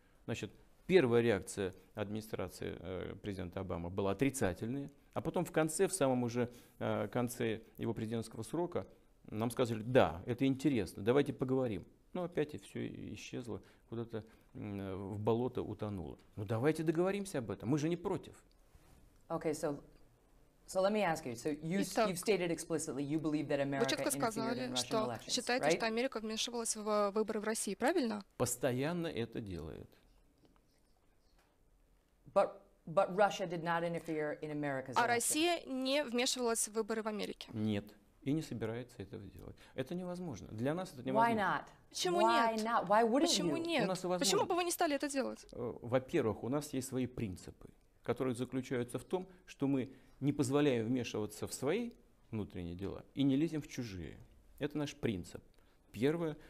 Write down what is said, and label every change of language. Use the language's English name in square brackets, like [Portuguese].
[Russian] Значит, первая реакция администрации президента Обамы была отрицательной, а потом в конце, в самом уже конце его президентского срока, нам сказали, да, это интересно, давайте поговорим. Но опять и все исчезло, куда-то в болото утонуло. Ну давайте договоримся об этом, мы же не против. [English] Okay, so let me ask you. So you've stated explicitly you believe that America interfered in Russian elections, right? [Russian] Вы четко сказали, что считаете, что Америка вмешивалась в выборы в России, правильно? Постоянно это делает. [English] But Russia did not interfere in America's election. [Russian] А Россия не вмешивалась в выборы в Америке? Нет. И не собирается этого делать. Это невозможно. Для нас это невозможно. Почему нет? Почему бы вы не стали это делать? Во-первых, у нас есть свои принципы, которые заключаются в том, что мы не позволяем вмешиваться в свои внутренние дела и не лезем в чужие. Это наш принцип. Первое.